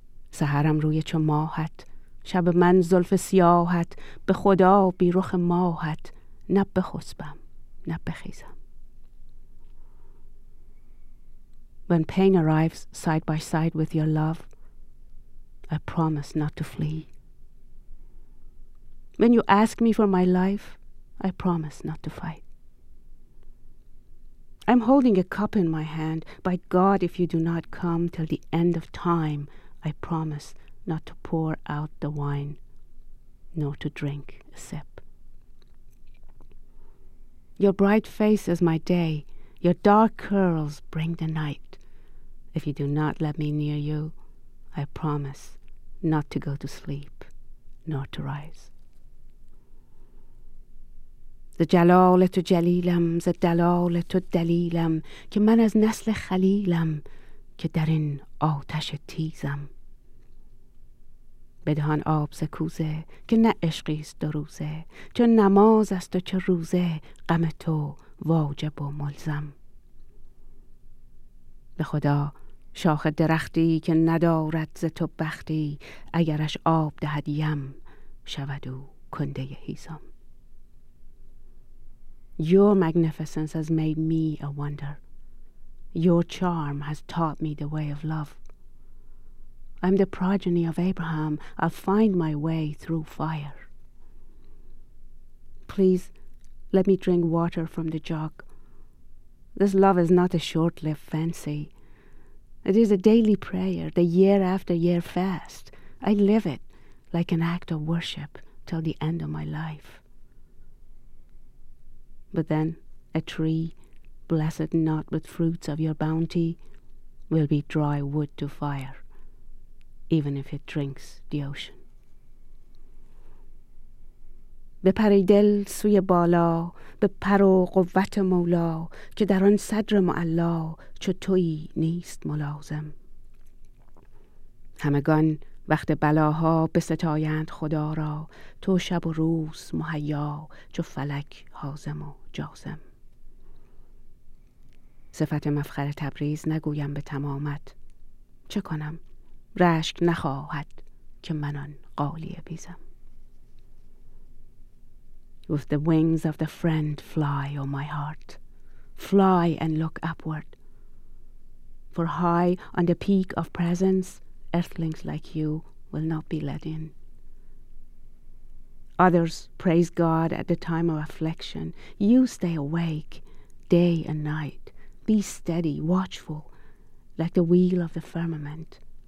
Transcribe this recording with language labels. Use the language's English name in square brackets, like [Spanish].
[Persian] سحرم روی چو ماهت شب من زلف سیاهت به خدا بی رخ ماهت نه بخسبم نه بخیزم [English] When pain arrives side by side with your love, I promise not to flee. When you ask me for my life, I promise not to fight. I'm holding a cup in my hand. By God, if you do not come till the end of time, I promise not to pour out the wine, nor to drink a sip. Your bright face is my day. Your dark curls bring the night. If you do not let me near you, I promise not to go to sleep, nor to rise. [Persian] ز جلال تو جلیلم، ز دلال تو دلیلم، که من از نسل خلیلم، که در این آتش تیزم. بدهان آب ز کوزه، که نه عشقیست دو روزه، چه نماز است و چه روزه، غم تو واجب و ملزم. به خدا، شاخ درختی که ندارد ز تو بختی اگرش آب دهد یم شود او کنده هیزم [English] Your magnificence has made me a wonder Your charm has taught me the way of love I'm the progeny of Abraham I'll find my way through fire Please let me drink water from the jug This love is not a short-lived fancy It is a daily prayer, the year after year fast. I live it like an act of worship till the end of my life. But then a tree, blessed not with fruits of your bounty, will be dry wood to fire, even if it drinks the ocean. [Persian] به پر دل سوی بالا به پر و قوت مولا که در آن صدر معلا چو تویی نیست ملازم همگان وقت بلاها بستایند خدا را تو شب و روز مهیا چو فلک حازم و جازم صفت مفخر تبریز نگویم به تمامت چه کنم رشک نخواهد که من آن غالیه بیزم [English] With the wings of the friend, fly, O my heart. Fly and look upward. For high on the peak of presence, earthlings like you will not be let in. Others praise God at the time of affliction. You stay awake day and night. Be steady, watchful, like the wheel of the firmament.